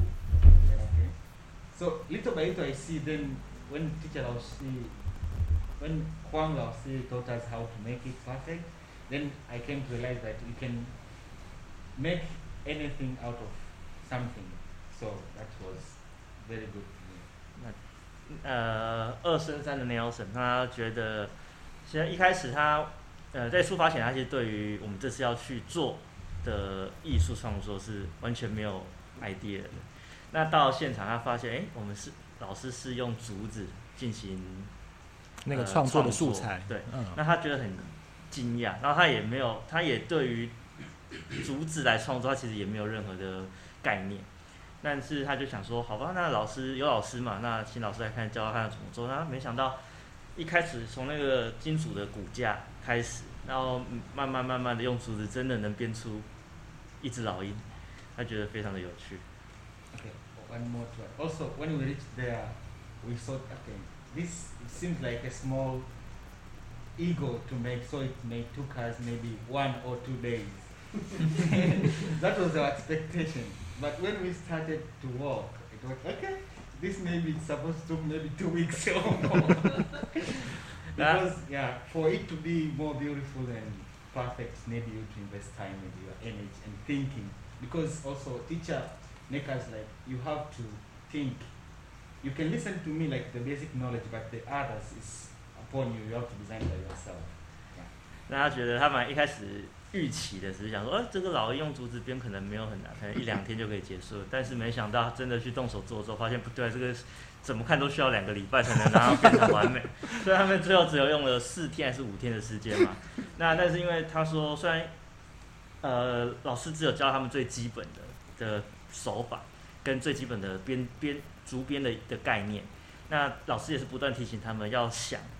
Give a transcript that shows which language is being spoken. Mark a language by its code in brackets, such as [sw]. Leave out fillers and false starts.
[en] Okay. So little by little I see then when teacher Laoshi, when Huang Laoshi taught us how to make it perfect, then I came to realize that you can makeanything out of something, so that was very good for me. [zh] 那二升三的 Nelson 他觉得，其实一开始他在出发前，他其实对于我们这次要去做的艺术创作是完全没有 idea 的。那到现场他发现，我们是老师是用竹子进行那个创作的素材，对，那他觉得很惊讶，然后他也没有，他也对于。竹子来创作，他其实也没有任何的概念，但是他就想说，好吧，那老师有老师嘛，那请老师来看教他怎么做。那没想到，一开始从那个金属的骨架开始，然后慢慢的用竹子，真的能编出一只老鹰，他觉得非常的有趣。 [en] Okay, one more try. Also, when we reached there, we thought, okay, this seems like a small ego to make, so it may took us maybe 1 or 2 days. That was our expectation. But when we started to walk, it was okay, this maybe it's supposed to maybe 2 weeks or more. Because, yeah, for it to be more beautiful and perfect, maybe you to invest time and your energy and thinking. Because also, teacher make us like, you have to think. You can listen to me like the basic knowledge, but the others is upon you, you have to design by yourself. [zh] 那他觉得他蛮一开始预期的，只是想说，这个老鹰用竹子编可能没有很难，可能一两天就可以结束。但是没想到真的去动手做之后，发现不对，这个怎么看都需要两个礼拜才能让它变成完美。所以他们最后只有用了四天还是五天的时间嘛。那但是因为他说，虽然老师只有教他们最基本的手法，跟最基本的竹编的概念，那老师也是不断提醒他们要想。